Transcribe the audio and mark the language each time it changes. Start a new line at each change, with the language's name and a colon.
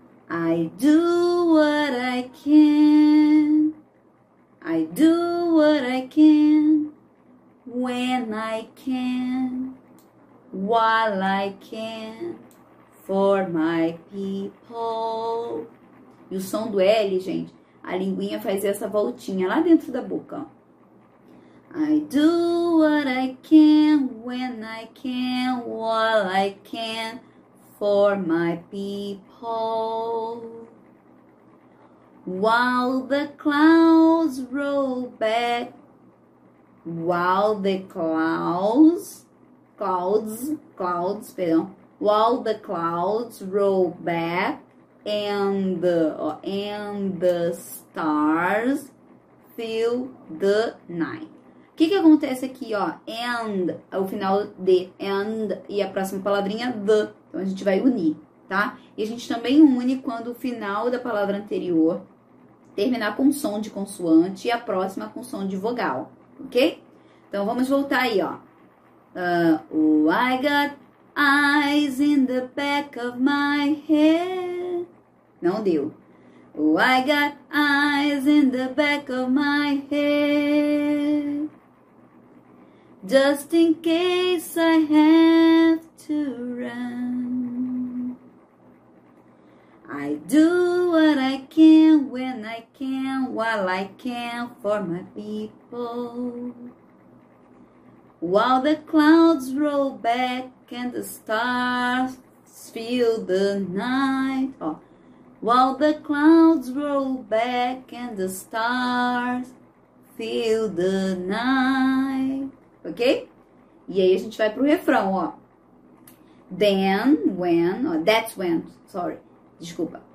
English: I do what I can. I do what I can. When I can, while I can, for my people.
Portuguese: E o som do L, gente, a linguinha faz essa voltinha lá dentro da boca, ó.
English: I do what I can, when I can, while I can, for my people. While the clouds roll back, while the clouds, perdão, while the clouds roll back, and the stars fill the night.
Portuguese: O que que acontece aqui, ó? And, é o final de and e a próxima palavrinha the. Então a gente vai unir, tá? E a gente também une quando o final da palavra anterior terminar com som de consoante e a próxima com som de vogal, ok? Então vamos voltar aí, ó.
English: I got eyes in the back of my head.
Portuguese: Não deu.
English: I got eyes in the back of my head. Just in case I have to run. I do what I can, when I can, while I can, for my people. While the clouds roll back and the stars fill the night. Oh. While the clouds roll back and the stars fill the night. Ok?
Portuguese: E aí a gente vai pro refrão, ó.
English: Then, when, oh, that's when, sorry, desculpa.